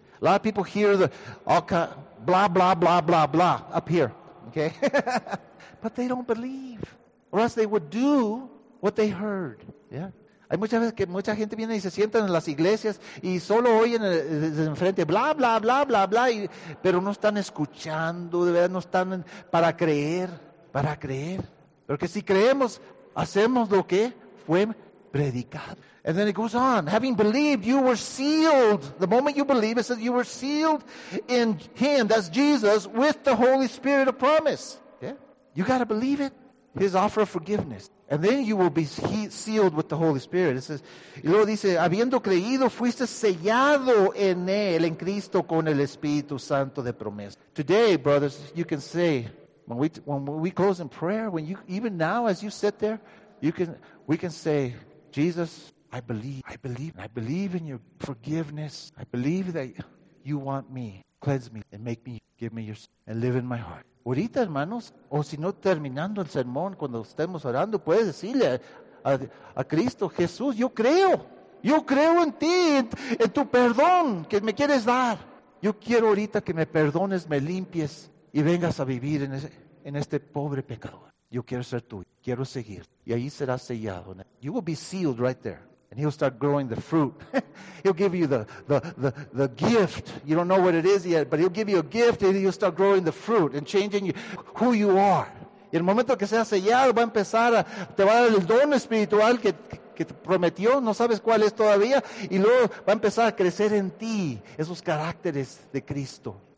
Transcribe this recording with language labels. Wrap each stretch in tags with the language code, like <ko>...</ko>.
<en>A lot of people hear the blah, blah, blah, blah, blah up here. Okay? But they don't believe. Or else they would do what they heard. Yeah.</en> <es>Hay muchas veces que mucha gente viene y se sienta en las iglesias y solo oyen desde enfrente, blah, blah, blah, blah, blah, pero no están escuchando, de verdad, no están para creer. Para creer. Porque si creemos, hacemos lo que fue predicado.</es> <en>And then it goes on. Having believed, you were sealed. The moment you believe, it says you were sealed in him, that's Jesus, with the Holy Spirit of promise. Yeah? You got to believe it. His offer of forgiveness. And then you will be sealed with the Holy Spirit. It says,</en> <es>y luego dice, habiendo creído, fuiste sellado en él, en Cristo, con el Espíritu Santo de promesa.</es> <en>Today, brothers, you can say, When we close in prayer, when you even now as you sit there, we can say, Jesus, I believe in your forgiveness. I believe that you want me, cleanse me, and make me, give me your, and live in my heart.</en> <es>Ahorita, hermanos, o si no terminando el sermón cuando estemos orando, puedes decirle a Cristo, Jesús, yo creo en ti, en tu perdón que me quieres dar. Yo quiero ahorita que me perdones, me limpies. Y vengas a vivir en este pobre pecador. Yo quiero ser tuyo. Quiero seguir. Y ahí serás sellado.</es> <en>You will be sealed right there. And he'll start growing the fruit. He'll give you the gift. You don't know what it is yet, but he'll give you a gift and he'll start growing the fruit and changing you, who you are.</en> <es>Y el momento que seas sellado, va a empezar a, te va a dar el don espiritual que te prometió, no sabes cuál es todavía, y luego va a empezar a crecer en ti esos caracteres de Cristo.</es>